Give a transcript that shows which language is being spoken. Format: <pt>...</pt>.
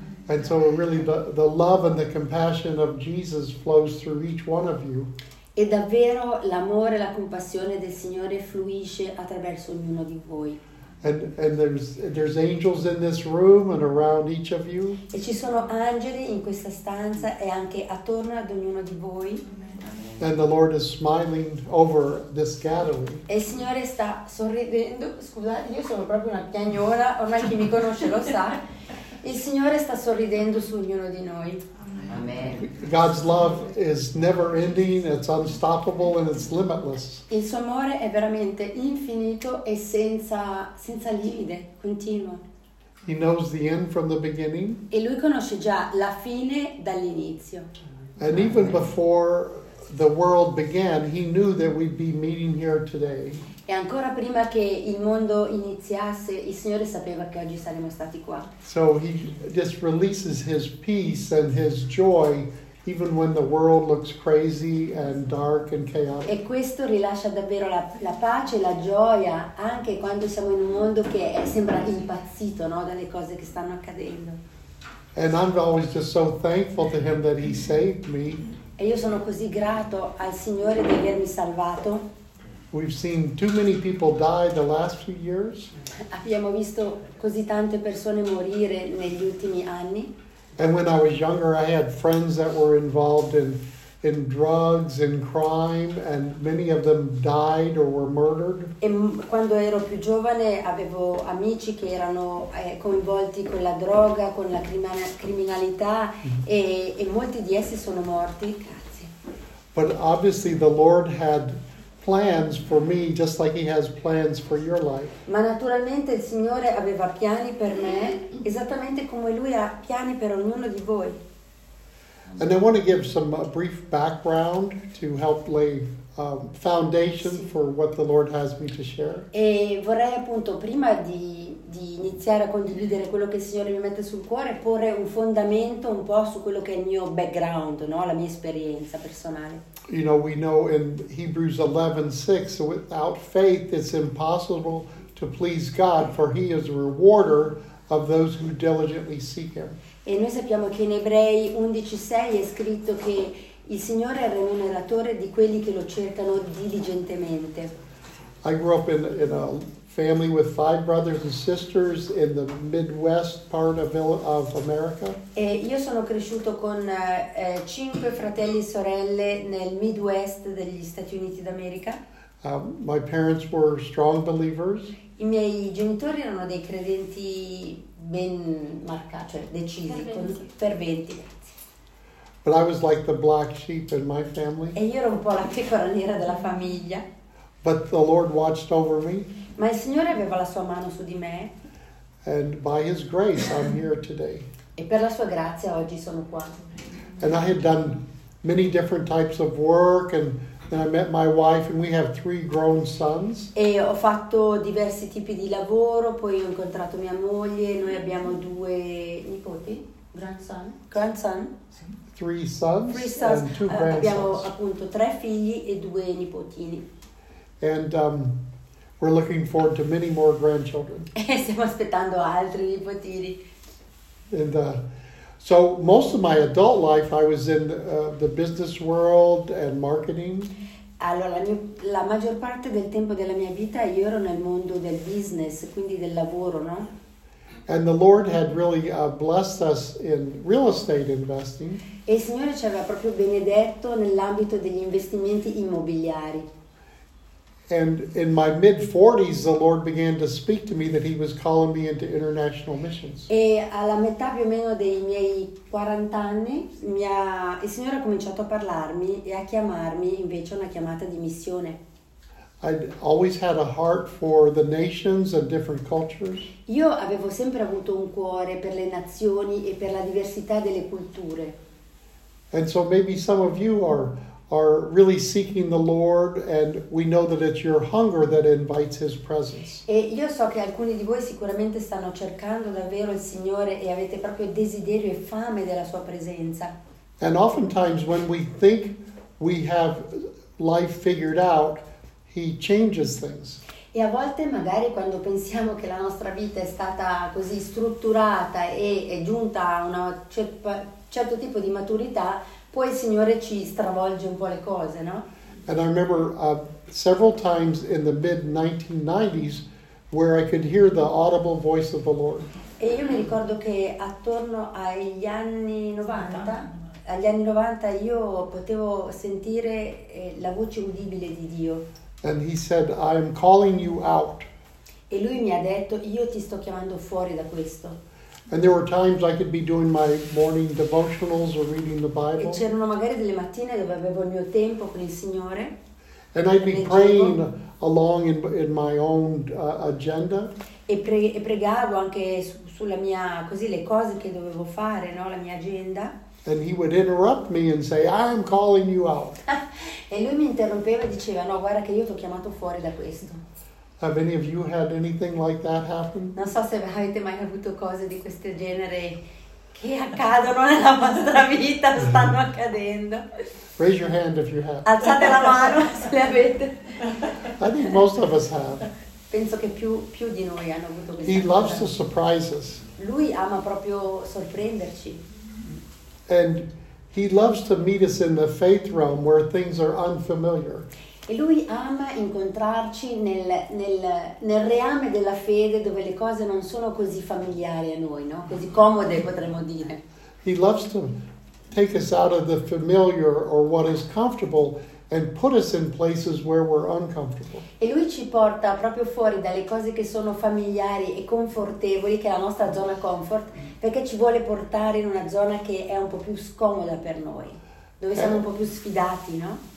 <en>And so really the love and the compassion of Jesus flows through each one of you.</en> <it>E davvero l'amore e la compassione del Signore fluisce attraverso ognuno di voi.</it> <en>And there's angels in this room and around each of you.</en> <it>E ci sono angeli in questa stanza e anche attorno ad ognuno di voi.</it> <en>And the Lord is smiling over this gathering.</en> <it>E il Signore sta sorridendo. Scusate, io sono proprio una piagnola, ormai chi mi conosce lo sa. Il Signore sta sorridendo su ognuno di noi. Amen.</it> <en>God's love is never ending, it's unstoppable and it's limitless.</en> <it>Il suo amore è veramente infinito e senza limite, continuo.</it> <en>He knows the end from the beginning.</en> <it>E lui conosce già la fine dall'inizio.</it> <en>And even before the world began, he knew that we'd be meeting here today.</en> <it>E ancora prima che il mondo iniziasse, il Signore sapeva che oggi saremmo stati qua.</it> <en>So he just releases his peace and his joy even when the world looks crazy and dark and chaotic.</en> <it>E questo rilascia davvero la pace e la gioia anche quando siamo in un mondo che sembra impazzito, no, dalle cose che stanno accadendo.</it> <en>And I'm always just so thankful to him that he saved me.</en> <it>E io sono così grato al Signore di avermi salvato.</it> <en>We've seen too many people die the last few years.</en> <it>Abbiamo visto così tante persone morire negli ultimi anni.</it> <en>And when I was younger, I had friends that were involved in drugs and crime, and many of them died or were murdered.</en> <it>E quando ero più giovane, avevo amici che erano coinvolti con la droga, con la criminalità, e molti di essi sono morti. Grazie.</it> <en>But obviously, the Lord had plans for me, just like He has plans for your life.</en> <it>Ma naturalmente il Signore aveva piani per me, esattamente come Lui ha piani per ognuno di voi.</it> <en>And I want to give some brief background to help lay foundation sì. for what the Lord has me to share.</en> <it>E vorrei appunto prima di iniziare a condividere quello che il Signore mi mette sul cuore, porre un fondamento un po' su quello che è il mio background, no? La mia esperienza personale.</it> <en>You know, we know in Hebrews 11:6, without faith it's impossible to please God, for he is a rewarder of those who diligently seek him.</en> <it>E noi sappiamo che in Ebrei 11:6 è scritto che il Signore è remuneratore di quelli che lo cercano diligentemente.</it> <en>I grew up in a family with five brothers and sisters in the Midwest part of America.</en> <it>E io sono cresciuto con cinque fratelli e sorelle nel Midwest degli Stati Uniti d'America.</it> <en>My parents were strong believers.</en> <it>I miei genitori erano dei credenti ben marcati, cioè decisi, ferventi.</it> <en>But I was like the black sheep in my family.</en> <it>E io ero un po' la pecora nera della famiglia.</it> <en>But the Lord watched over me.</en> <it>Ma il Signore aveva la sua mano su di me.</it> <en>And by his grace I'm here today.</en> <it>E per la sua grazia oggi sono qua.</it> <en>And I had done many different types of work, and then I met my wife, and we have three grown sons.</en> <it>E ho fatto diversi tipi di lavoro, poi ho incontrato mia moglie, noi abbiamo due nipoti.</it> <en>Grandson. Three sons and two grandsons.</en> <it>Abbiamo appunto tre figli e due nipotini.</it> <en>And we're looking forward to many more grandchildren.</en> <it>E stiamo aspettando altri nipotini.</it> <en>And so most of my adult life I was in the business world and marketing.</en> <it>Allora, la maggior parte del tempo della mia vita io ero nel mondo del business, quindi del lavoro, no?</it> <en>And the Lord had really blessed us in real estate investing.</en> <it>E il Signore ci aveva proprio benedetto nell'ambito degli investimenti immobiliari.</it> <en>And in my mid-40s, the Lord began to speak to me that he was calling me into international missions.</en> <it>E alla metà più o meno dei miei 40 anni, il Signore ha cominciato a parlarmi e a chiamarmi invece una chiamata di missione.</it> <en>I'd always had a heart for the nations and different cultures.</en> <it>Io avevo sempre avuto un cuore per le nazioni e per la diversità delle culture.</it> <en>And so maybe some of you are really seeking the Lord, and we know that it's your hunger that invites his presence.</en> <it>E io so che alcuni di voi sicuramente stanno cercando davvero il Signore e avete proprio desiderio e fame della sua presenza.</it> <en>And oftentimes when we think we have life figured out, he changes things.</en> <it>E a volte magari quando pensiamo che la nostra vita è stata così strutturata e è giunta a un certo tipo di maturità, poi il Signore ci stravolge un po' le cose, no?</it> <en>And I remember several times in the mid-1990s where I could hear the audible voice of the Lord.</en> <it>E io mi ricordo che attorno agli anni 90, io potevo sentire la voce udibile di Dio.</it> <en>And he said, "I am calling you out."</en> <it>E lui mi ha detto, io ti sto chiamando fuori da questo.</it> <en>And there were times I could be doing my morning devotionals or reading the Bible.</en> <it>E c'erano magari delle mattine dove avevo il mio tempo con il Signore.</it> <en>And I'd be praying along in my own agenda.</en> <it>E pregavo anche sulla mia così le cose che dovevo fare, no, la mia agenda.</it> <en>And he would interrupt me and say, "I am calling you out."</en> <it>E lui mi interrompeva e diceva, no, guarda che io ti ho chiamato fuori da questo.</it> <en>Have any of you had anything like that happen?</en> <it>Non so se avete mai avuto cose di questo genere che accadono nella vostra vita, stanno accadendo.</it> <en>Raise your hand if you have.</en> <it>Alzate la mano se le avete.</it> <en>I think most of us have.</en> <it>Penso che più di noi hanno avuto questo.</it> <en>He loves to surprise us.</en> <it>Lui ama proprio sorprenderci.</it> <en>And he loves to meet us in the faith realm where things are unfamiliar.</en> <it>E lui ama incontrarci nel reame della fede dove le cose non sono così familiari a noi, no? Così comode, potremmo dire.</it> <en>He loves to take us out of the familiar or what is comfortable and put us in places where we're uncomfortable.</en> <it>E lui ci porta proprio fuori dalle cose che sono familiari e confortevoli, che è la nostra zona comfort, perché ci vuole portare in una zona che è un po' più scomoda per noi, dove siamo un po' più sfidati, no?</it>